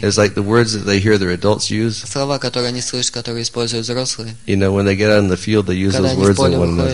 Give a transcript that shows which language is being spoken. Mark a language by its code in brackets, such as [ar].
[en] It's like the words that they hear their adults use. [ru] Слова, которые они слышат, которые используют взрослые. [en] You know, when they get out in the field, they use those words on one another.